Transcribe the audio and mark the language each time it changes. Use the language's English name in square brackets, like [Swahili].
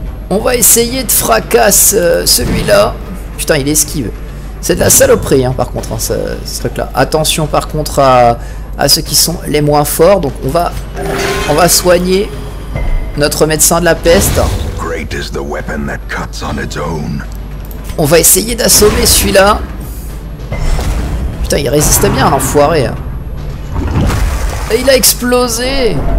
[French] On va essayer de fracasse celui-là. Putain, il esquive. C'est de la saloperie, hein, par contre, hein, ce truc-là. Attention, par contre, à ceux qui sont les moins forts. Donc, on va soigner notre médecin de la peste. [English] Great is the weapon that cuts on its own. [French] On va essayer d'assommer celui-là. Putain, il résiste bien, l'enfoiré. Et il a explosé.